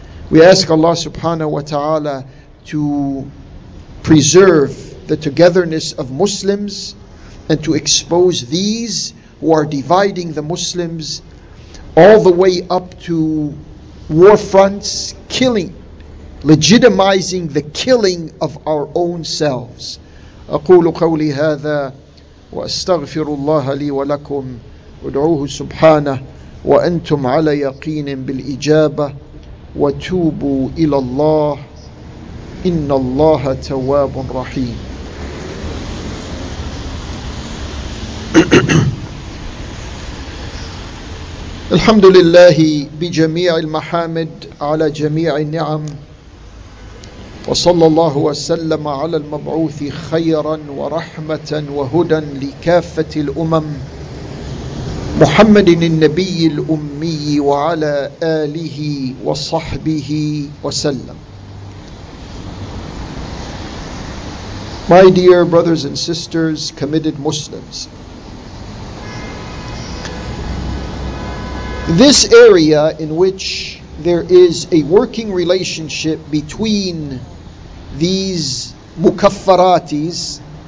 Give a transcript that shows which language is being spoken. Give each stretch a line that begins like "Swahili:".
English: We ask Allah subhanahu wa ta'ala to preserve the togetherness of Muslims and to expose these who are dividing the Muslims all the way up to war fronts, killing, legitimizing the killing of our own selves.
Arabic: أقول قولي هذا وأستغفر الله لي ولكم ودعوه سبحانه وأنتم على يقين بالإجابة وتوبوا إلى الله إن الله تواب رحيم. الحمد لله بجميع المحامد على جميع النعم وصلى الله وسلم على المبعوث خيرا ورحمة وهدى لكافة الأمم محمد النبي الأمي وعلى آله وصحبه وسلم.
English: My dear brothers and sisters, committed Muslims, this area in which there is a working relationship between these mukaffiratis